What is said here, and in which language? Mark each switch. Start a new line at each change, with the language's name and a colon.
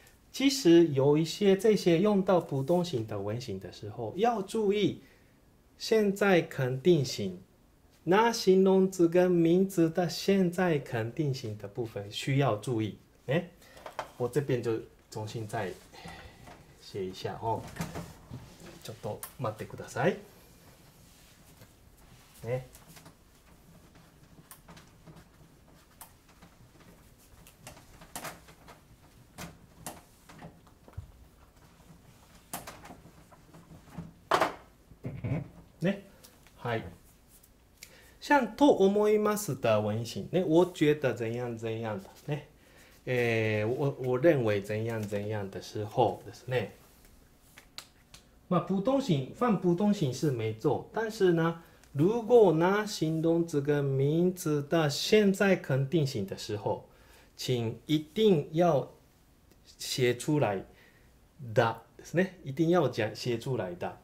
Chinese: 其实有一些这些用到不动型的文型的时候要注意。现在肯定型，那形容词跟名词的现在肯定型的部分需要注意。哎，我这边就重新再写一下哦。
Japanese: ちょっと待ってください。ね。
Chinese: はい、像と思います的文型ね、我觉得怎样怎样的ね、我认为怎样怎样的时候ですね。まあ、普通型放普通型是没错，但是呢，如果那形容词跟名词的现在肯定型的时候，请一定要写出来的，是呢，一定要讲写出来的。